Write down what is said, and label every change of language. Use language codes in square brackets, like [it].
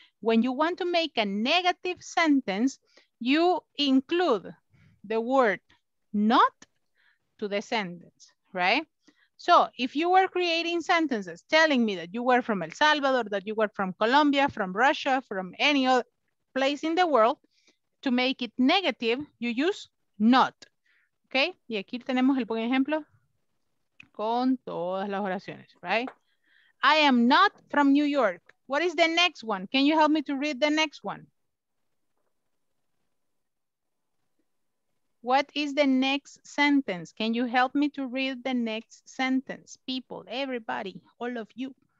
[en] When you want to make a negative sentence, you include the word not to the sentence, right? So if you were creating sentences telling me that you were from El Salvador, that you were from Colombia, from Russia, from any other place in the world, to make it negative, you use not. [es] Okay, y aquí tenemos el buen ejemplo con todas las oraciones, right? [en] I am not from New York. What is the next one? Can you help me to read the next one? What is the next sentence? Can you help me to read the next sentence? People, everybody, all of you.